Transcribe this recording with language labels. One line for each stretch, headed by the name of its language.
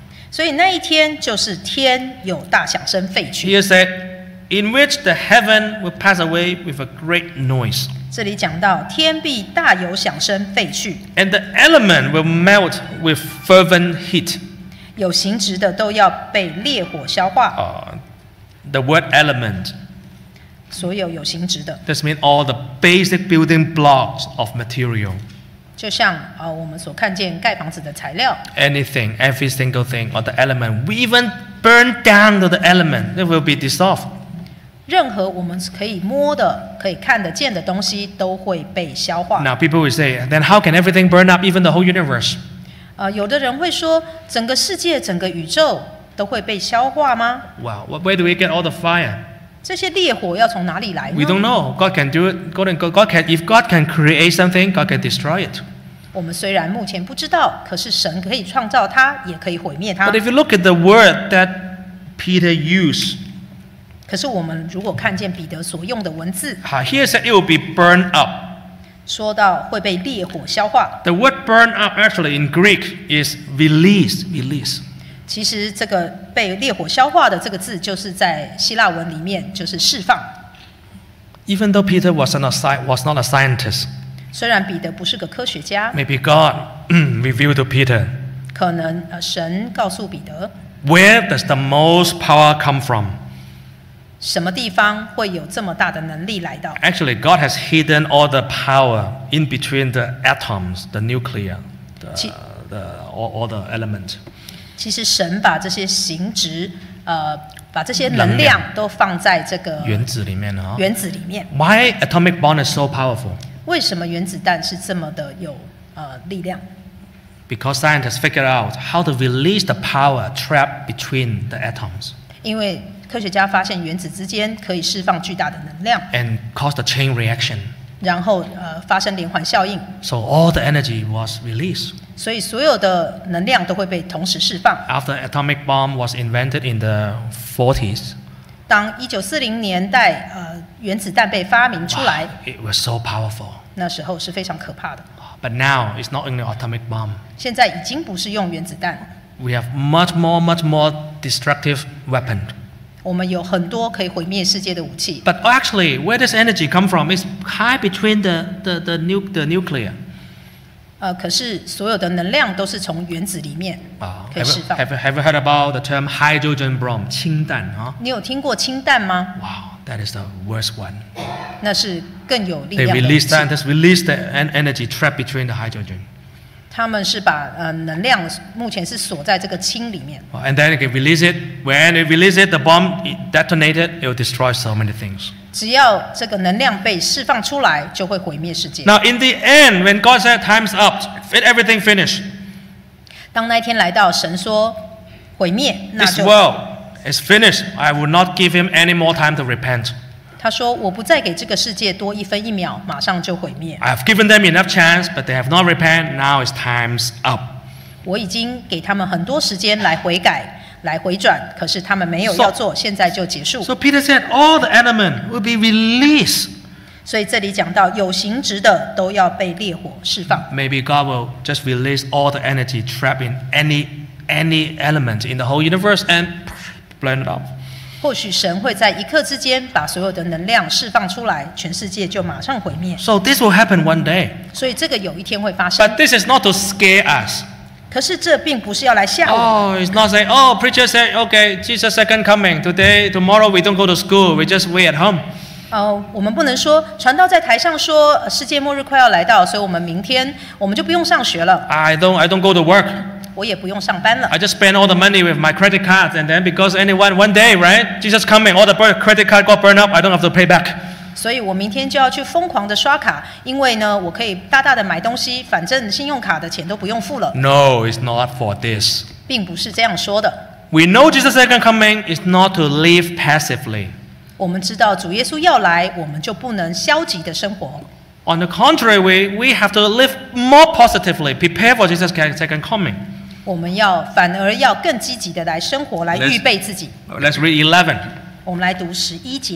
Chinese: 所以那一天就是天有大响声废去。
English: He said, in which the heaven will pass away with a great noise.
Chinese: 这里讲到天必大有响声废去。
English: And the element will melt with fervent heat.
Chinese: 有形质的都要被烈火消化。
English: The word element.
Chinese: 所有有形质的。
English: This means all the basic building blocks of material.
Chinese: 就像我们所看见盖房子的材料。
English: Anything, every single thing, or the element, we even burn down the element, it will be dissolved.
Chinese: 任何我们可以摸的、可以看得见的东西都会被消化。
English: Now people will say, then how can everything burn up, even the whole universe?
Chinese: 有的人会说，整个世界、整个宇宙都会被消化吗？
English: Well, where do we get all the fire?
Chinese: 这些烈火要从哪里来呢？
English: We don't know. God can do it. God can. God can. If God can create something, God can destroy it.
Chinese: 我们虽然目前不知道，可是神可以创造它，也可以毁灭它。
English: But if you look at the word that Peter used.
Chinese: 可是我们如果看见彼得所用的文字。
English: He said it will be burned up.
Chinese: 说到会被烈火消化。
English: The word burn up actually in Greek is release, release.
Chinese: 其实这个被烈火消化的这个字，就是在希腊文里面就是释放。
English: Even though Peter was not a scientist,
Chinese: 虽然彼得不是个科学家
English: ，maybe God revealed to Peter.
Chinese: 可能神告诉彼得。
English: Where does the most power come from?
Chinese: 什么地方会有这么大的能力来到
English: ？Actually, God has hidden all the power in between the atoms, the nuclear, all the element.
Chinese: 其实神把这些形质，把这些能量都放在这个原子里面了。原子里面。
English: Why atomic bomb is so powerful?
Chinese: 为什么原子弹是这么的有力量
English: ？Because scientists figured out how to release the power trapped between the atoms.
Chinese: 因为科学家发现原子之间可以释放巨大的能量。
English: And cause the chain reaction.
Chinese: 然后发生连环效应。
English: So all the energy was released.
Chinese: 所以所有的能量都会被同时释放。
English: After atomic bomb was invented in the 40s,
Chinese: 当1940年代原子弹被发明出来
English: wow, it was so powerful.
Chinese: 那时候是非常可怕的。
English: But now, it's not only atomic bomb.
Chinese: 现在已经不是用原子弹。
English: We have much more, much more destructive weapon.
Chinese: 我们有很多可以毁灭世界的武器。
English: But actually, where does energy come from? It's high between the nuclear.
Chinese: 可是所有的能量都是从原子里面可以释放。
English: Have you heard about the term hydrogen bomb, 氢弹、
Chinese: 你有听过氢弹吗
English: ？Wow, that is the worst one.
Chinese: 那是更有力量的。
English: They release that, just release the energy trapped between the hydrogen.
Chinese: 他们是把能量目前是锁在这个氢里面。
English: And then they release it. When they release it, the bomb detonated. It will destroy so many things.
Chinese: 只要这个能量被释放出来，就会毁灭世界。
English: Now in the end, when God said time's up, everything finished.
Chinese: 当那天来到，神说毁灭，那就
English: This world is finished. I will not give him any more time to repent.
Chinese: 他说我不再给这个世界多一分一秒，马上就毁灭。
English: I have given them enough chance, but they have not repent. Now it's time's up.
Chinese: 我已经给他们很多时间来悔改。来回转，可是他们没有要做，现在就结束。
English: So Peter said all the element will be released.
Chinese: 所以这里讲到有形质的都要被烈火释放。
English: Maybe God will just release all the energy trapped in any element in the whole universe and burn it up.
Chinese: 或许神会在一刻之间把所有的能量释放出来，全世界就马上毁灭。
English: So this will happen one day.
Chinese: 所以这个有一天会发生。
English: But this is not to scare us.
Chinese: 可是这并不是要来吓我。
English: Oh, it's not saying, oh, preacher said, okay, Jesus second coming. Today, tomorrow, we don't go to school. We just wait at home.
Chinese: 我们不能说，传道在台上说世界末日快要来到，所以我们明天我们就不用上学了。
English: I don't go to work.
Chinese: 我也不用上班了。
English: I just spend all the money with my credit card, and then because anyone one day, right, Jesus coming, all the credit card got burned up. I don't have to pay back.
Chinese: 所以我明天就要去疯狂的刷卡，因为呢，我可以大大的买东西，反正信用卡的钱都不用付了。
English: No, it's not for this.
Chinese: 并不是这样说的。
English: We know Jesus' second coming is not to live passively.
Chinese: 我们知道主耶稣要来，我们就不能消极的生活。
English: On the contrary, we have to live more positively, prepare for Jesus' second coming.
Chinese: 我们要反而要更积极的来生活，来预备自己。
English: Let's read 11.
Chinese: 我们来读十一节。